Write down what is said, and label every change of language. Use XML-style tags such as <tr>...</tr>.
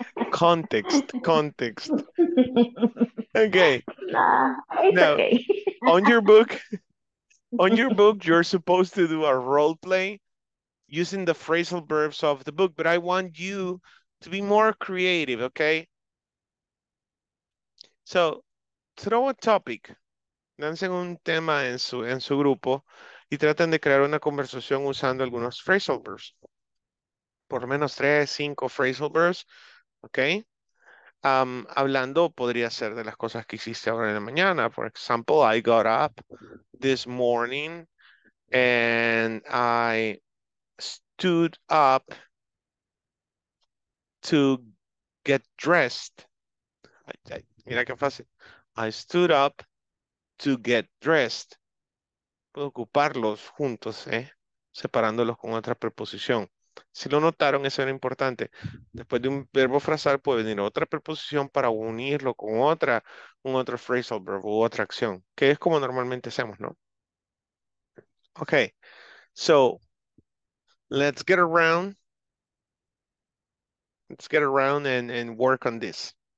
<en>Context, context. Okay. Nah, it's now, okay. On your book, you're supposed to do a role play using the phrasal verbs of the book, but I want you to be more creative, okay? So, throw a topic.</en> <es>Lancen un tema en su grupo y traten de crear una conversación usando algunos phrasal verbs. Por lo menos 3, 5 phrasal verbs, okay? Hablando podría ser de las cosas que hiciste ahora en la mañana.</es> <en>For example, I got up this morning and I stood up to get dressed.</en> <es>Mira qué fácil.</es> <en>I stood up to get dressed.</en> <es>Puedo ocuparlos juntos, separándolos con otra preposición. Si lo notaron, eso era importante. Después de un verbo frasal puede venir otra preposición para unirlo con otra, un otro phrasal verb u otra acción, que es como normalmente hacemos, ¿no?</es> <en>Okay, so let's get around and work on this.</en>